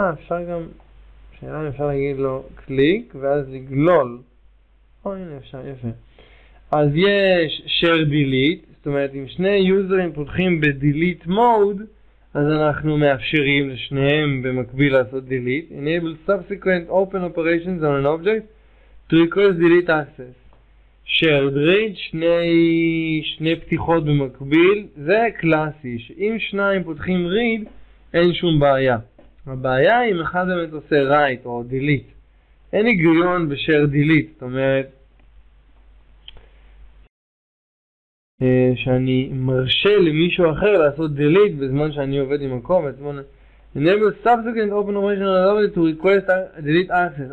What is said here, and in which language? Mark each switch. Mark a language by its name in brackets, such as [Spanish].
[Hebrew] אפשר גם, שאלה אם אפשר להגיד לו קליק ואז לגלול. הנה אפשר, יפה. אז יש share delete, זאת אומרת אם שני יוזרים פותחים ב-delete mode, אז אנחנו מאפשרים לשניהם במקביל לעשות delete. [English] enable subsequent open operations on an object to request delete access. [Hebrew] shared read, שני פתיחות במקביל, זה קלאסי, שאם שניים פותחים read, אין שום בעיה. הבעיה היא אם אחד באמת עושה write או delete. אין היגיון ב-shared delete, זאת אומרת, שאני מרשה למישהו אחר לעשות delete בזמן שאני עובד עם הקובץ. [English] enable subsequent open operation on an object to request delete access.